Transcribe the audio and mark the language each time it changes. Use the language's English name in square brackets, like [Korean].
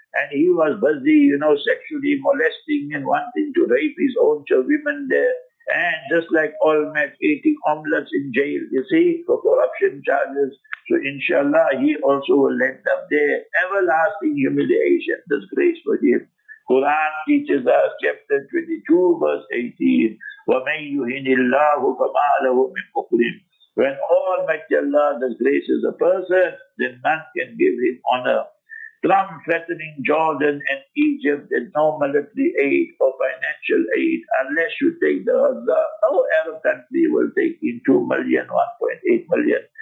[English] And he was busy, you know, sexually molesting and wanting to rape his own women there. And just like Olmert, eating omelets in jail, you see, for corruption charges. So inshallah, he also will end up there. Everlasting humiliation, disgrace for him. [Arabic] Quran teaches us, chapter 22, verse 18, وَمَنْ يُهِنِ اللَّهُ فَمَا لَهُ مِنْ مُقْرِمٍ. [English] When Almighty Allah disgraces a person, then none can give him honor. Trump threatening Jordan and Egypt that no military aid or financial aid unless you take the Gaza. No Arab country will take in 2 million, 1.8 million.